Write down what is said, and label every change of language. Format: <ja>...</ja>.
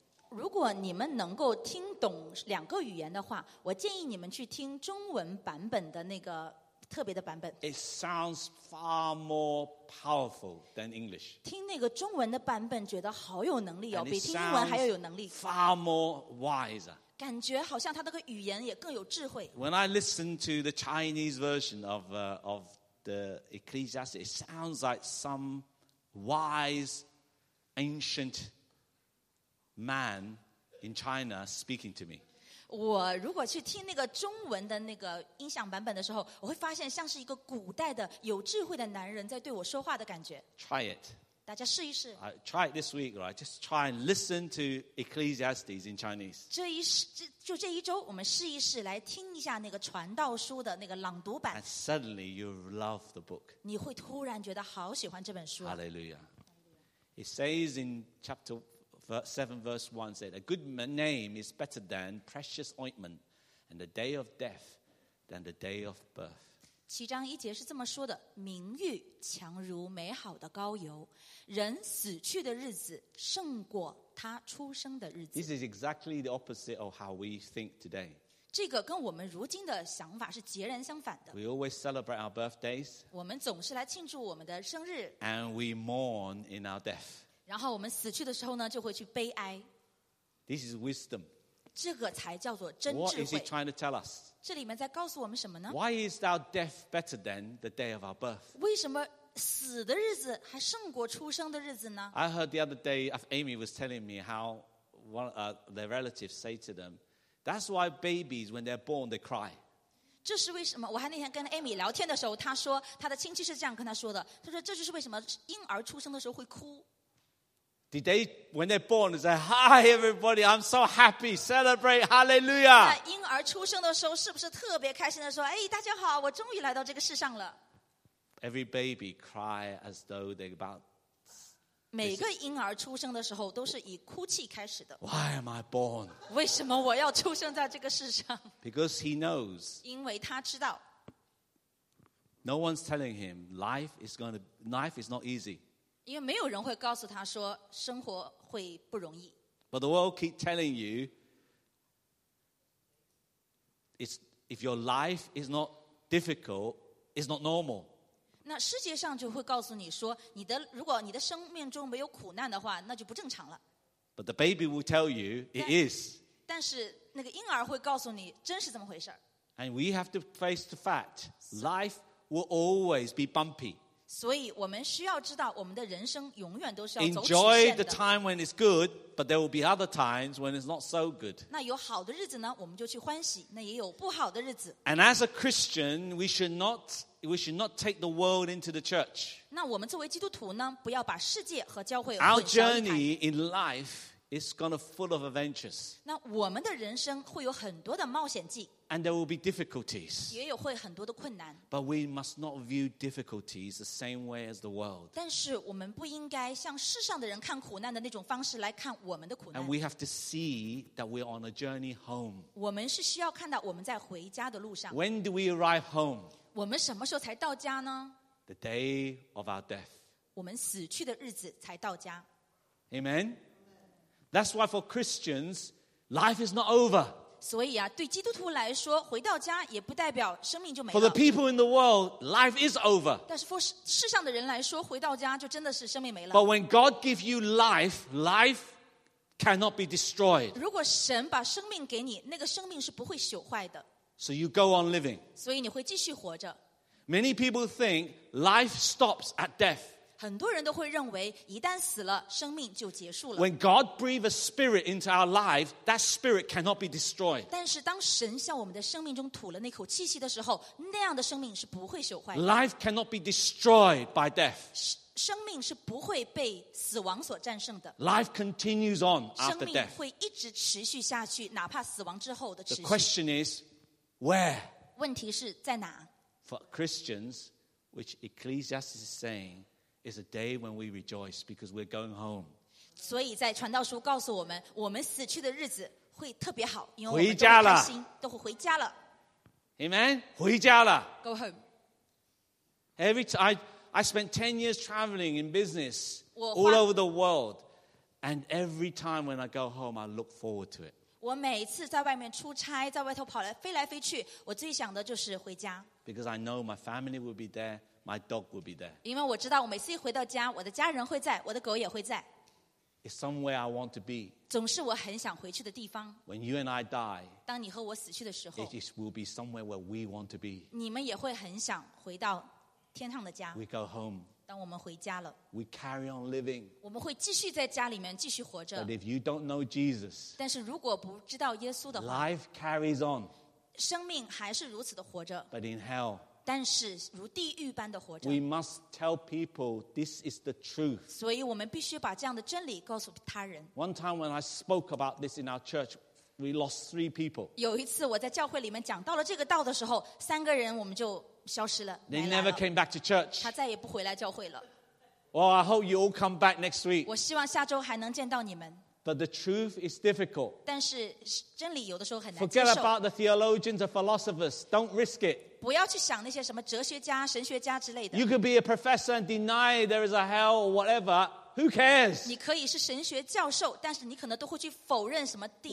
<zh>如果你们能够听懂两个语言的话，我建议你们去听中文版本的那个特别的版本。</zh> <en>It sounds far more powerful than English.</en> <zh>听那个中文的版本觉得好有能力哦，比听英文还要有能力。</zh> <en>Far more wiser.</en> <zh>感觉好像他那个语言也更有智慧。</zh> <en>When I listen to the Chinese version of the Ecclesiastes, it sounds like some wise ancient man in China speaking to me.</en> <zh>我如果去听那个中文的那个音响版本的时候，我会发现像是一个古代的有智慧的男人在对我说话的感觉。</zh> <en>Try it.</en> <zh>大家试一试。</zh> <en>I try it this week, right? Just try and listen to Ecclesiastes in Chinese.</en> <zh>这一试，就这一周，我们试一试，来听一下那个传道书的那个朗读版。</zh> <en>And suddenly you love the book.</en> <zh>你会突然觉得好喜欢这本书。</zh> <en>Hallelujah. It says in chapter 7, verse 1, said, A good name is better than precious ointment, and the day of death than the day of birth.</en> <zh>七章一节是这么说的，名誉强如美好的膏油，人死去的日子胜过他出生的日子。</zh> <en>This is exactly the opposite of how we think today.</en> <zh>这个跟我们如今的想法是截然相反的。</zh> <en>We always celebrate our birthdays.</en> <zh>我们总是来庆祝我们的生日。</zh> <en>And we mourn in our death.</en> <zh>然后我们死去的时候呢，就会去悲哀。</zh> <en>This is wisdom.</en> <zh>这个才叫做真智慧。</zh> <en>What is he trying to tell us?</en> <zh>这里面在告诉我们什么呢？</zh> <en>Why is our death better than the day of our birth?</en> <zh>为什么死的日子还胜过出生的日子呢？</zh> <en>I heard the other day, Amy was telling me how their relatives say to them, that's why babies, when they're born, they cry.</en> <zh>这是为什么？我还那天跟 Amy 聊天的时候，她说她的亲戚是这样跟她说的，她说这就是为什么婴儿出生的时候会哭。</zh> <en>Did they, when they're born, say, Hi, everybody, I'm so happy, celebrate, hallelujah.</en> <zh>那婴儿出生的时候是不是特别开心的说，哎，大家好，我终于来到这个世上了。</zh> <en>Every baby cry as though they're about...</en> <zh>每个婴儿出生的时候都是以哭泣开始的。</zh> <en>Why am I born?</en> <zh>为什么我要出生在这个世上？</zh> <en>Because he knows.</en> <zh>因为他知道。</zh> <en>No one's telling him, life is not easy.</en> <zh>因为没有人会告诉他说生活会不容易。</zh> <en>But the world keep telling you, if your life is not difficult, it's not normal.</en> <zh>那世界上就会告诉你说，如果你的生命中没有苦难的话，那就不正常了。</zh> <en>But the baby will tell you it is.</en> <zh>但是那个婴儿会告诉你，真是这么回事。</zh> <en>And we have to face the fact, life will always be bumpy.</en> <zh>所以我们需要知道，我们的人生永远都是要走曲线的。</zh> <en>Enjoy the time when it's good, but there will be other times when it's not so good.</en> <zh>那有好的日子呢，我们就去欢喜；那也有不好的日子。</zh> <en>And as a Christian, we should not take the world into the church.</en> <zh>那我们作为基督徒呢，不要把世界和教会混淆。</zh> <en>Our journey in life It's gonna full of adventures.</en> <zh>那我们的人生会有很多的冒险记。</zh> <en>And there will be difficulties.</en> <zh>也有会很多的困难。</zh> <en>But we must not view difficulties the same way as the world.</en> <zh>但是我们不应该像世上的人看苦难的那种方式来看我们的苦难。</zh> <en>And we have to see that we're on a journey home.</en> <zh>我们是需要看到我们在回家的路上。</zh> <en>When do we arrive home?</en> <zh>我们什么时候才到家呢？</zh> <en>The day of our death.</en> <zh>我们死去的日子才到家。</zh> <en>Amen. That's why for Christians, life is not over.</en> <zh>所以啊，对基督徒来说，回到家也不代表生命就没了。</zh> <en>For the people in the world, life is over.</en> <zh>但是</zh> <en>for</en> <zh>世上的人来说，回到家就真的是生命没了。</zh> <en>But when God gives you life, life cannot be destroyed.</en> <zh>如果神把生命给你，那个生命是不会朽坏的。</zh> <en>So you go on living.</en> <zh>所以你会继续活着。</zh> <en>Many people think life stops at death.</en> <zh>很多人都会认为一旦死了生命就结束了。</zh> <en>When God breathes a spirit into our life, that spirit cannot be destroyed.</en> <zh>但是当神向我们的生命中吐了那口气息的时候，那样的生命是不会朽坏的。</zh> <en>Life cannot be destroyed by death.</en> <zh>生命是不会被死亡所战胜的。</zh> <en>Life continues on after death.</en> <zh>生命会一直持续下去，哪怕死亡之后的持续。</zh> <en>The question is, where?</en> <zh>问题是在哪？</zh> <en>For Christians, which Ecclesiastes is saying,It's a day when we rejoice because we're going home.</en> <zh>所以在传道书告诉我们，我们死去的日子会特别好，因为我们都会开心，回家了，都会回家了。 Amen. 回家了。</zh> <en>Go home. Every time I spent 10 years traveling in business all over the world, and every time when I go home, I look forward to it.</en> <zh>我每次在外面出差，在外头跑来飞来飞去，我最想的就是回家。</zh> <en>Because I know my family will be there. My dog will be there.</en> <zh>因为我知道，我每次一回到家，我的家人会在，我的狗也会在。</zh> <en>It's somewhere I want to be.</en> <zh>总是我很想回去的地方。</zh> <en>When you and I die,</en> <zh>当你和我死去的时候</zh> <en>，it will be somewhere where we want to be.</en> <zh>你们也会很想回到天堂的家。</zh> <en>We go home.</en> <zh>当我们回家了</zh> <en>，we carry on living.</en> <zh>我们会继续在家里面继续活着。</zh> <en>But if you don't know Jesus,</en> <zh>但是如果不知道耶稣的话</zh> <en>，life carries on.</en> <zh>生命还是如此的活着。</zh> <en>But in hell.</en> <zh>但是如地狱般的活着。</zh> <en>We must tell people this is the truth.</en> <zh>所以我们必须把这样的真理告诉他人。</zh> <en>One time when I spoke about this in our church, we lost 3 people.</en> <zh>有一次我在教会里面讲到了这个道的时候，三个人我们就消失了。</zh> <en>They never came back to church.</en> <zh>他再也不回来教会了。</zh> <en>Well, I hope you all come back next week.</en> <zh>我希望下周还能见到你们。</zh> <en>But the truth is difficult.</en> <zh>但是真理有的时候很难接受。</zh> <en>Forget about the theologians or philosophers. Don't risk it.</en> <zh>不要去想那些什么哲学家、神学家之类的。</zh> <en>You could be a professor and deny there is a hell or whatever. Who cares?</en> <zh>你可以是神学教授，但是你可能都会去否认什么地狱</zh>